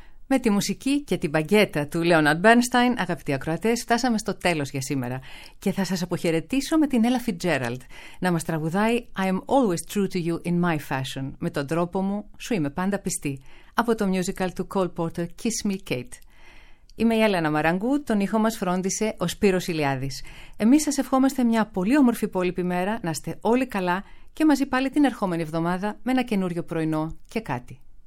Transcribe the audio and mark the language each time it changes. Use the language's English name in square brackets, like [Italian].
[Greek] Με τη μουσική και την μπαγκέτα του Λέοναρντ Μπέρνστάιν, αγαπητοί ακροατές, φτάσαμε στο τέλος για σήμερα. Και θα σας αποχαιρετήσω με την Έλα Φιτζέραλντ να μας τραγουδάει [English] «I am always true to you in my fashion». [Greek] Με τον τρόπο μου, σου είμαι πάντα πιστή. Από το musical του Cole Porter «Kiss Me, Kate». Είμαι η Έλενα Μαραγκού, τον ήχο μας φρόντισε ο Σπύρος Ηλιάδης. Εμείς σας ευχόμαστε μια πολύ όμορφη υπόλοιπη μέρα, να είστε όλοι καλά και μαζί πάλι την ερχόμενη εβδομάδα με ένα καινούριο πρωινό και κάτι.